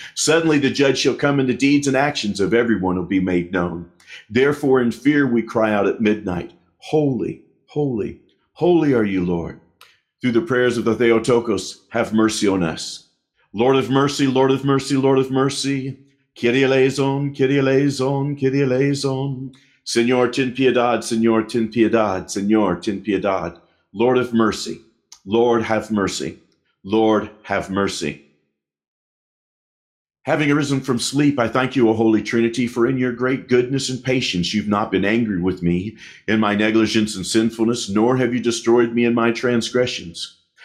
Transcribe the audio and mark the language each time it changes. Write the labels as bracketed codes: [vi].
[en] Suddenly the judge shall come, and the deeds and actions of everyone will be made known. Therefore in fear we cry out at midnight, holy, holy, holy are you, Lord. Through the prayers of the Theotokos, have mercy on us. Lord of mercy, Lord of mercy, Lord of mercy, [el] Kyrie eleison, Kyrie eleison, Kyrie eleison. [es] Señor, ten piedad, Señor, ten piedad, Señor, ten piedad. [en] Lord of mercy, Lord, have mercy, Lord, have mercy. Having arisen from sleep, I thank you, O Holy Trinity, for in your great goodness and patience, you've not been angry with me in my negligence and sinfulness, nor have you destroyed me in my transgressions.